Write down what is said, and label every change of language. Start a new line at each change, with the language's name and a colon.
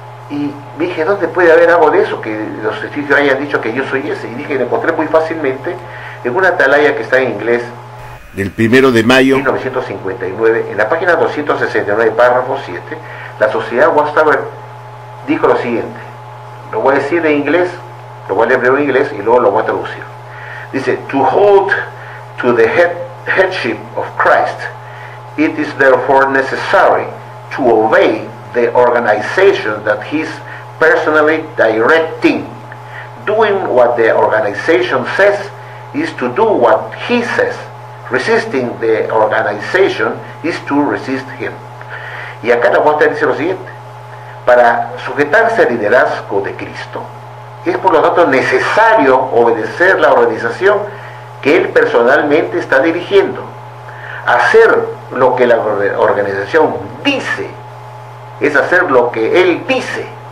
Spanish: Y dije, ¿dónde puede haber algo de eso, que los testigos hayan dicho que yo soy ese? Y dije, lo encontré muy fácilmente en una atalaya que está en inglés, del primero de mayo 1959, en la página 269, párrafo 7, la sociedad Watchtower dijo lo siguiente. Lo voy a decir en inglés, lo voy a leer en inglés y luego lo voy a traducir.
English: Dice, to hold to the headship of Christ, it is therefore necessary to obey the organization that he is personally directing. Doing what the organization says is to do what he says. Resisting the organization is to resist him.
Spanish: Y acá la Watchtower dice lo siguiente. Para sujetarse al liderazgo de Cristo, es por lo tanto necesario obedecer la organización que él personalmente está dirigiendo. Hacer lo que la organización dice es hacer lo que él dice.